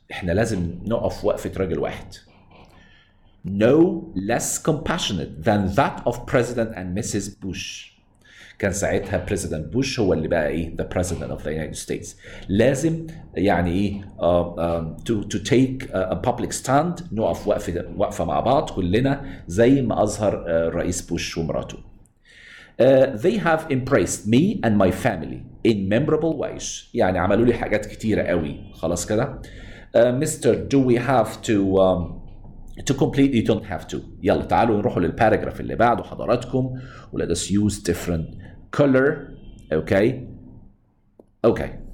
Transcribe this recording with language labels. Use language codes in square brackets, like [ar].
[ar] إحنا لازم نقف وقفة رجل واحد. [en] No less compassionate than that of President and Mrs. Bush. [ar] كان ساعتها [en] President Bush [ar] هو اللي بقى إيه [en] the President of the United States. [ar] لازم يعني إيه [en] to take a public stand, [ar] نقف وقفة مع بعض كلنا زي ما أظهر الرئيس بوش ومراته. [en] They have embraced me and my family in memorable ways. [ar] يعني عملوا لي حاجات كتيرة قوي. خلاص كده. [en] Mister, do we have to complete? You don't have to. [ar] يلا تعالوا نروحوا للparagraph اللي بعده حضراتكم. [en] Let us use different color, okay? Okay.